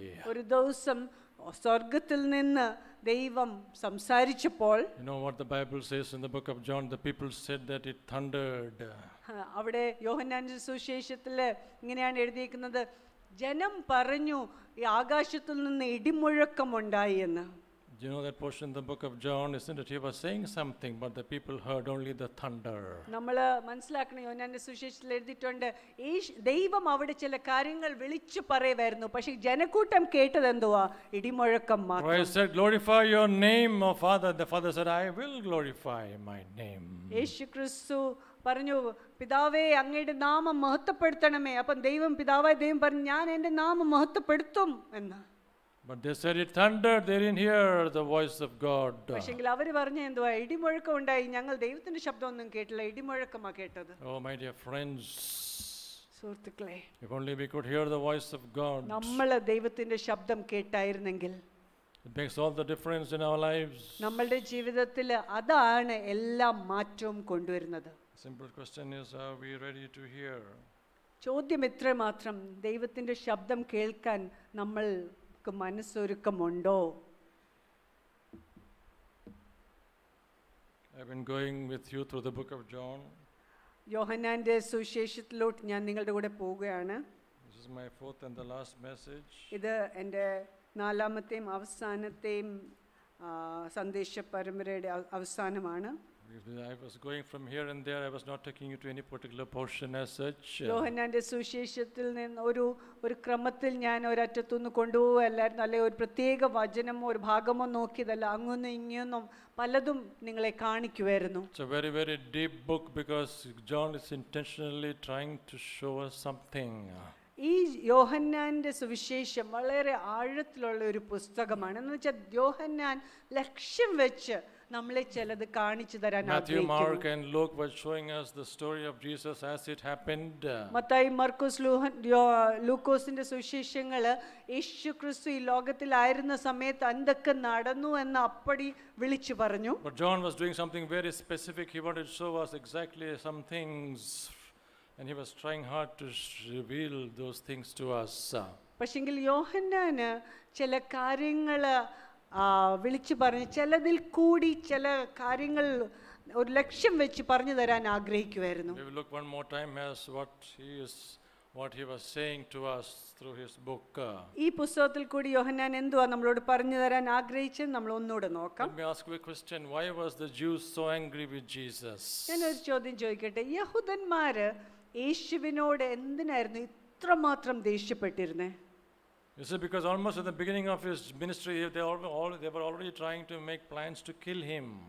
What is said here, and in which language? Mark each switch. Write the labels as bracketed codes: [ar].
[ml] ഒരു ദിവസം സ്വർഗ്ഗത്തിൽ നിന്ന് ദൈവം സംസാരിച്ചപ്പോൾ, [en] you know what the Bible says in the book of John, the people said that it thundered. [ml] അവിടെ യോഹന്നാന്റെ സുവിശേഷത്തിൽ ഇങ്ങനെയാണ് എഴുതിയിരിക്കുന്നത്, ജനം പറഞ്ഞു ഈ ആകാശത്തിൽ നിന്ന് ഇടിമുഴക്കം ഉണ്ടായി എന്ന്. [en] You know that portion in the book of John, isn't it? He was saying something, but the people heard only the thunder. [ml] നമ്മളെ മനസ്സിലാക്കണം, യോഹന്നാന്റെ സുവിശേഷത്തിൽ എഴുതിയിട്ടുണ്ട്, ദൈവം അവിടെ ചില കാര്യങ്ങൾ വിളിച്ചു പറയുമായിരുന്നു, പക്ഷേ ജനക്കൂട്ടം കേട്ടത് എന്തുവാ, ഇടിമുഴക്കം മാത്രം. [en] Christ said, glorify your name, O Father. The Father said, I will glorify my name. [ml] യേശുക്രിസ്തു പറഞ്ഞു, പിതാവേ അങ്ങയുടെ നാമം മഹത്വപ്പെടുത്തണമേ. അപ്പം ദൈവം, പിതാവായ ദൈവം പറഞ്ഞു, ഞാൻ എൻ്റെ നാമം മഹത്വപ്പെടുത്തും എന്ന്. [en] But they said it thundered, they didn't hear the voice of God. [ml] പക്ഷേങ്കിൽ അവർ പറഞ്ഞു, എന്തുവാ ഇടിമുഴക്കം ഉണ്ടായി, ഞങ്ങൾ ദൈവത്തിന്റെ ശബ്ദമൊന്നും കേട്ടില്ല, ഇടിമുഴക്കമാണ് കേട്ടത്. [en] Oh my dear friends, [ml] സുഹൃത്തുക്കളെ, [en] if only we could hear the voice of God. [ml] നമ്മൾ ദൈവത്തിന്റെ ശബ്ദം കേട്ടായിരുന്നെങ്കിൽ, [en] it makes all the difference in our lives. [ml] നമ്മളുടെ ജീവിതത്തിൽ അതാണ് എല്ലാം മാറ്റവും കൊണ്ടുവരുന്നത്. [en] Simple question is, are we ready to hear? [ml] ചോദ്യം ഇത്ര മാത്രം, ദൈവത്തിന്റെ ശബ്ദം കേൾക്കാൻ നമ്മൾ മനസ്സൊരുക്കമുണ്ടോ? [en] I've been going with you through the book of John. [ml] യോഹന്നാന്റെ സുവിശേഷത്തിലോട്ട് ഞാൻ നിങ്ങളുടെ കൂടെ പോവുകയാണ്. [en] This is my fourth and the last message. [ml] ഇത് എൻ്റെ നാലാമത്തെയും അവസാനത്തെയും സന്ദേശ പരമ്പരയുടെ അവസാനമാണ്. [en] I was going from here and there, I was not taking you to any particular portion as such. [ml] യോഹന്നാന്റെ സുവിശേഷത്തിൽ നിന്ന് ഒരു ക്രമത്തിൽ ഞാൻ ഒരറ്റത്തു നിന്ന് കൊണ്ടുപോകുക അല്ലായിരുന്നു, അല്ലെ, ഒരു പ്രത്യേക വചനമോ ഒരു ഭാഗമോ നോക്കിയതല്ല, അങ്ങൊന്നും ഇങ്ങൊന്നും പലതും നിങ്ങളെ കാണിക്കുമായിരുന്നു. [en] It's a very very deep book because John is intentionally trying to show us something. [ml] ഈ യോഹന്നാൻ്റെ സുവിശേഷം വളരെ ആഴത്തിലുള്ള ഒരു പുസ്തകമാണ്. എന്ന് വെച്ചാൽ യോഹന്നാൻ ലക്ഷ്യം വെച്ച് നമ്മളെ ചിലത് കാണിച്ചു തരാൻ [en] Matthew, Mark and Luke were showing us the story of Jesus as it happened. [ml] Mathai Markose ലൂക്കോസിന്റെ സുവിശേഷങ്ങൾ യേശുക്രിസ്തു ഈ ലോകത്തിൽ ആയിരുന്ന സമയത്ത് എന്തൊക്കെ നടന്നു എന്ന് അപ്പടി വിളിച്ചു പറഞ്ഞു. [en] But John was doing something very specific. He wanted to show us exactly some things and he was trying hard to reveal those things to us. [ml] പക്ഷേങ്കിൽ യോഹന്നാൻ ചില കാര്യങ്ങൾ വിളിച്ചു പറഞ്ഞു, ചിലതിൽ കൂടി ചില കാര്യങ്ങൾ ഒരു ലക്ഷ്യം വെച്ച് പറഞ്ഞു തരാൻ ആഗ്രഹിക്കുകയായിരുന്നു. [en] We will look one more time as what he was saying to us through his book. [ml] ഈ പുസ്തകത്തിൽ കൂടി യോഹന്നാൻ എന്തുവാ നമ്മളോട് പറഞ്ഞു തരാൻ ആഗ്രഹിച്ചത് നമ്മൾ ഒന്നുകൂടെ നോക്കാം. [en] Let me ask you a question. Why was the Jews so angry with Jesus? [ml] ഞാൻ ഒരു ചോദ്യം ചോദിക്കട്ടെ, യഹൂദന്മാർ യേശുവിനോട് എന്തിനായിരുന്നു ഇത്ര മാത്രം ദേഷ്യപ്പെട്ടിരുന്നത്? [en] Is it because almost at the beginning of his ministry they were already trying to make plans to kill him?